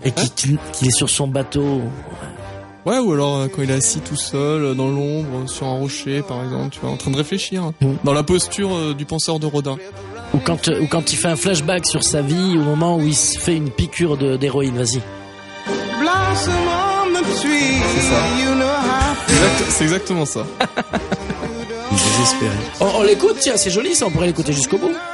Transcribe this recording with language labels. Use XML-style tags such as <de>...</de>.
<fr>Et qu'il est sur son bateau. Ouais, ou alors quand il est assis tout seul, dans l'ombre, sur un rocher, par exemple, tu vois, en train de réfléchir. Dans la posture du penseur de Rodin. Ou quand il fait un flashback sur sa vie, au moment où il se fait une piqûre d'héroïne, vas-y.</fr> <en>Blossom on the tree, you know.</en> <fr>C'est exactement ça. Désespéré. On l'écoute, tiens, c'est joli ça, on pourrait l'écouter jusqu'au bout.</fr>